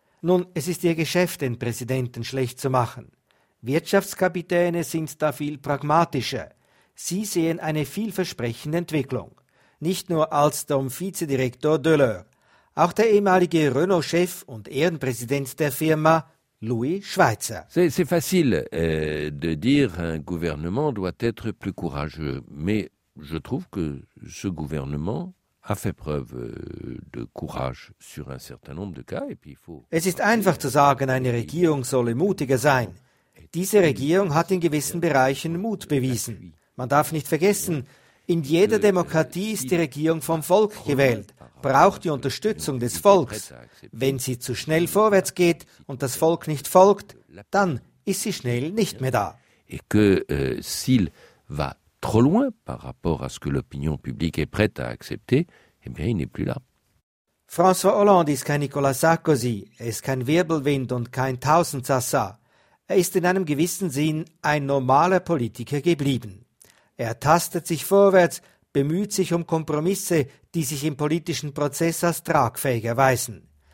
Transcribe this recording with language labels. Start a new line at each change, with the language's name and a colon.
German: Nun, es ist ihr Geschäft, den Präsidenten schlecht zu machen. Wirtschaftskapitäne sind da viel pragmatischer. Sie sehen eine vielversprechende Entwicklung. Nicht nur Alstom-Vizedirektor Döller, auch der ehemalige Renault-Chef und Ehrenpräsident der Firma Louis Schweizer.
French: C'est facile de dire un gouvernement doit être plus courageux, mais je trouve que ce gouvernement a fait preuve de courage sur un certain nombre de cas et puis il faut.
German: Es ist einfach zu sagen, eine Regierung solle mutiger sein. Diese Regierung hat in gewissen Bereichen Mut bewiesen. Man darf nicht vergessen, in jeder Demokratie ist die Regierung vom Volk gewählt, braucht die Unterstützung des Volks. Wenn sie zu schnell vorwärts geht und das Volk nicht folgt, dann ist sie schnell nicht mehr da.
French: Et que s'il va trop loin par rapport à ce que l'opinion publique est prête à accepter, eh bien il n'est plus là.
German: François Hollande ist kein Nicolas Sarkozy, er ist kein Wirbelwind und kein Tausendsassa. Er ist in einem gewissen Sinn ein normaler Politiker geblieben. Er tastet sich vorwärts, bemüht sich um Kompromisse, die sich im politischen Prozess als tragfähig erweisen.